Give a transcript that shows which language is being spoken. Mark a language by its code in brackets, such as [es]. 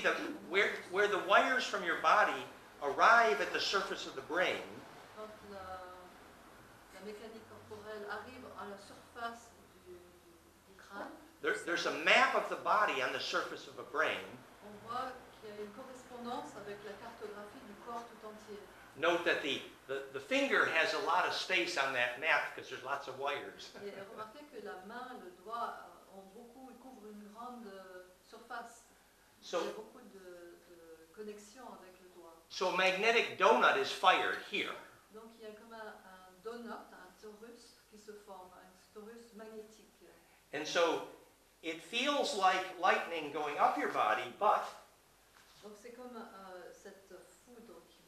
[en] the where the wires from your body arrive at the surface of the brain. [fr] Quand la mécanique corporelle arrive à la surface du crâne. [en] There's a map of the body on the surface of a brain. [fr] On voit qu'il y a une correspondance avec la cartographie du corps tout entier. [en] Note that the finger has a lot of space on that map because there's lots of wires. [fr] Remarquez que la main, le doigt, ont beaucoup, ils couvrent une grande surface. [en] So, [fr] il y a beaucoup de connexions avec le doigt. [en] So a magnetic donut is fired here. [fr] Donc il y a comme un donut, un torus qui se forme, un torus magnétique. [en] And so it feels like lightning going up your body, but. [fr] Donc c'est comme cette foudre.